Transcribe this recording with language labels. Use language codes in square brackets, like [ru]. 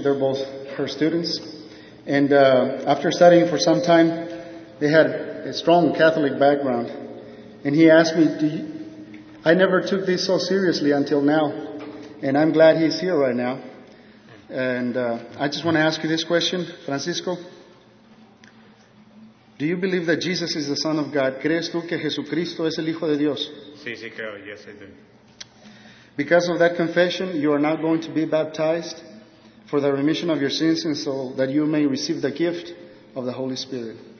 [en] They're both her students. And after studying for some time, they had a strong Catholic background. And he asked me, I never took this so seriously until now. And I'm glad he's here right now. And I just want to ask you this question, Francisco. Do you believe that Jesus is the Son of God? [es] ¿Crees tú que Jesucristo es el Hijo de Dios? Sí, sí, creo. [en] Yes, I do. Because of that confession, you are not going to be baptized for the remission of your sins, and so that you may receive the gift of the Holy Spirit.